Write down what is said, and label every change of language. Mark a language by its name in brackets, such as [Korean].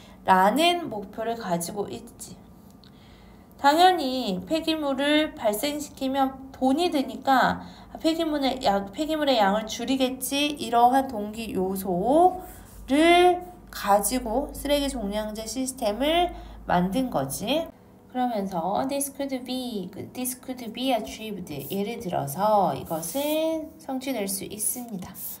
[Korean] 라는 목표를 가지고 있지. 당연히 폐기물을 발생시키면 돈이 드니까 폐기물의 양을 줄이겠지. 이러한 동기 요소를 가지고 쓰레기 종량제 시스템을 만든 거지. [English] 그러면서 this could be achieved. [Korean] 예를 들어서 이것은 성취될 수 있습니다.